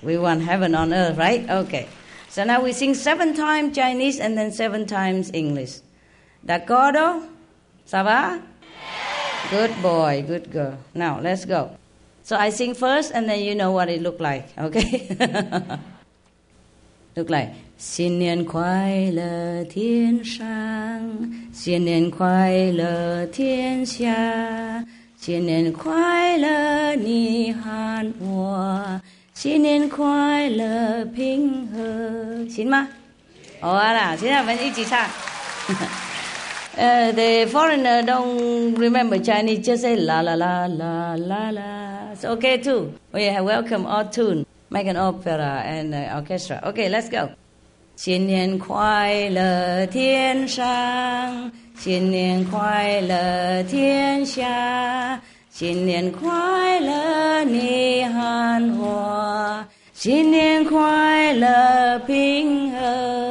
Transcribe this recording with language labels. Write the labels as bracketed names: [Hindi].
[English] We want heaven on earth, right? Okay. So now we sing seven times Chinese and then seven times English. [Italian] D'accordo? [French] Ça va? [English] Good boy, good girl. Now, let's go. So I sing first and then you know what it looks like, okay? Look like... [Chinese] 新年快乐天上，新年快乐天下，新年快乐你和我，新年快乐平和，行吗？好啊啦，现在我们一起唱。 [English] the foreigner don't remember Chinese, just say la la la la la la. It's okay too. We have welcome all tune, make an opera and orchestra. Okay, let's go. [Chinese] 新年快乐天上，新年快乐天下，新年快乐你和我，新年快乐平和。